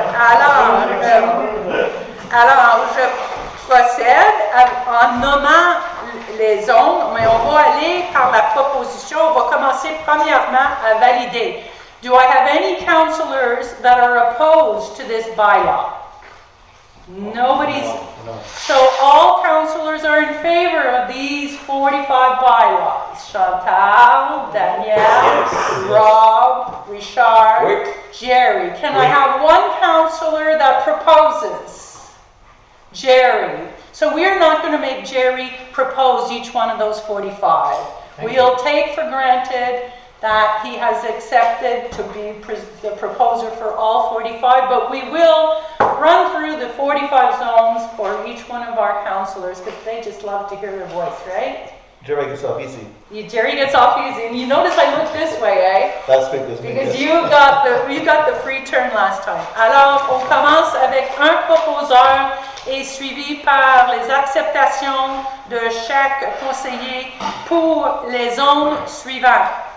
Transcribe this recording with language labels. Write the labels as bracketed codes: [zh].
[fr] Alors, je procède en nommant les zones, mais on va aller par la proposition. On va commencer premièrement à valider. [en] Do I have any councillors that are opposed to this bylaw? No. So all councillors are in favor of these 45 bylaws. Chantal, Danielle, Rob, Richard, Jerry. I have one councillor that proposes? Jerry. So we're not going to make Jerry propose each one of those 45. We'll take for granted that he has accepted to be the proposer for all 45, but we will run through the 45 zones for each one of our counselors, because they just love to hear their voice, right? Jerry gets off easy. Jerry gets off easy, and you notice I look this way, eh? That's because you got the free turn last time. [fr] Alors, on commence avec un proposeur et suivi par les acceptations de chaque conseiller pour les zones suivantes.